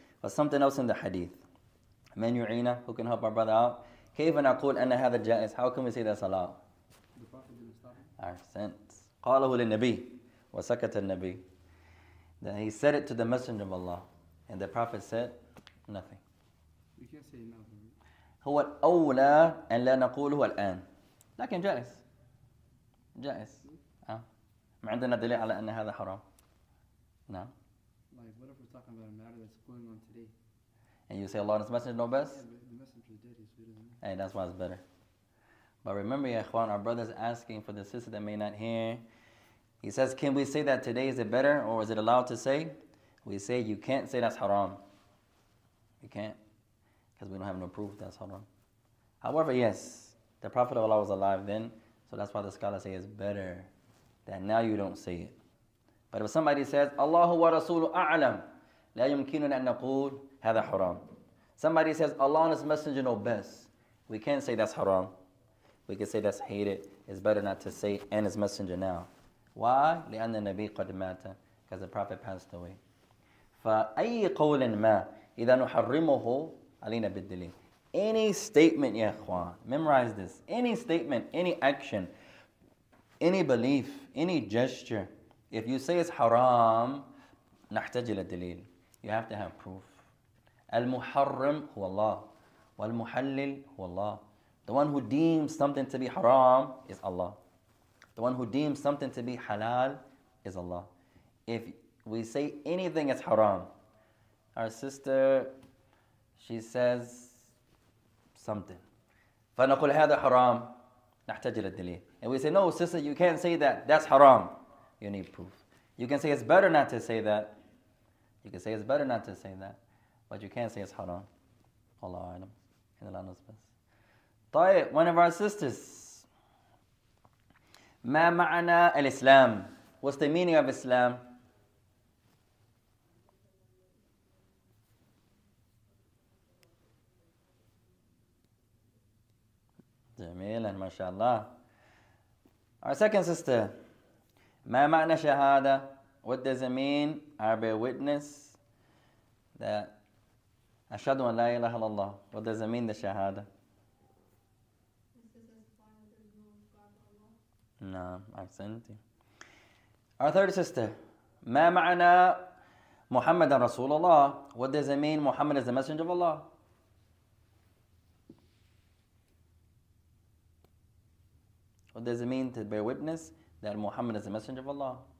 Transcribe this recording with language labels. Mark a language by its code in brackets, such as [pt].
[en] But something else in the hadith. Man yu'ina, who can help our brother out? [ar] كيف نقول أن هذا جائز? [en] How can we say that's allowed? The Prophet didn't stop him. Our sense. [ar] قاله للنبي وسكت النبي. [en] Then he said it to the Messenger of Allah. And the Prophet said nothing. We can't say nothing. [ar] هو الأولى أن لا نقوله الآن. لكن جائز. جائز. ما عندنا دليل على أن هذا حرام. نعم. [en] Like, what if we're talking about a matter that's going on today? And you say Allah and His Messenger know best? Yeah, but the Messenger is dead, he's better than that. Hey, that's why it's better. But remember, ya ikhwan, our brother's asking for the sister that may not hear. He says, can we say that today? Is it better or is it allowed to say? We say you can't say that's haram. You can't. Because we don't have no proof that's haram. However, yes. The Prophet of Allah was alive then, so that's why the scholars say it's better that now you don't say it. But if somebody says, [ar] Allahu wa Rasulu A'lam, la yumkinuna an naqul, hadha haram. [en] Somebody says, Allah and His Messenger know best. We can't say that's haram. We can say that's hated. It's better not to say and His Messenger now. Why? [ar] لأن النبي قد مات, [en] because the Prophet passed away. [ar] فأي قول ما إذا نحرمه علينا بالدليل. [en] Any statement, ya ikhwan, memorize this. Any statement, any action, any belief, any gesture, if you say it's haram, [ar] نحتاجي للدليل. [en] You have to have proof. [ar] المحرم هو الله والمحلل هو الله. [en] The one who deems something to be haram is Allah. The one who deems something to be halal is Allah. If we say anything is haram, our sister, she says something. [ar] فنقول هذا حرام. نحتاج إلى الدليل. [en] And we say, no, sister, you can't say that. That's haram. You need proof. You can say it's better not to say that. You can say it's better not to say that. But you can't say it's haram. Allah أعلم. And Allah knows best. [ar] طيب, [en] one of our sisters. [ar] ما معنى الإسلام? [en] What's the meaning of Islam? [ar] جميلا ما شاء الله. [en] Our second sister, [ar] ما معنى شهادة? [en] What does it mean? I bear witness that [ar] أشهد أن لا إله إلا الله. [en] What does it mean, the شهادة? [ar] نعم أحسنتي. [en] Our third sister, [ar] ما معنى محمد رسول الله? [en] What does it mean? Muhammad is the messenger of Allah. What does it mean to bear witness that Muhammad is the messenger of Allah?